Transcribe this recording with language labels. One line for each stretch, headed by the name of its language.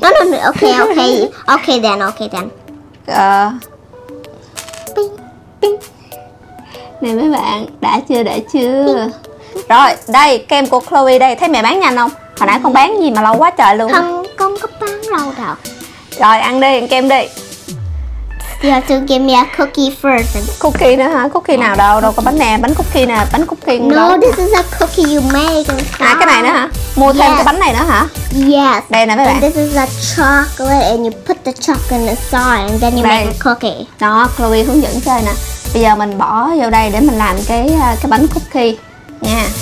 Vietnamese: Đó là
English: okay then. Ping.
Vietnamese: Nè mấy bạn, đã chưa, đã chưa? Rồi, đây, kem của Chloe đây, thấy mẹ bán nhanh không? Hồi nãy con bán gì mà lâu quá trời luôn. Không, con có bán lâu đâu. Rồi, ăn đi, ăn kem đi.
English: You have to give me a cookie first.
Vietnamese: Cookie nữa hả? Cookie nào đâu? Đâu có bánh nè, bánh cookie nè, bánh cookie.
English: No, this is a cookie you make.
Vietnamese: À, cái này nữa hả? Mua thêm cái bánh này nữa hả?
English: Yes.
Vietnamese: Đây nè mấy bạn.
English: And this is a chocolate and you put the chocolate inside and then you make a cookie.
Vietnamese: Đó, Chloe hướng dẫn chơi nè. Bây giờ mình bỏ vô đây để mình làm cái bánh cookie nha.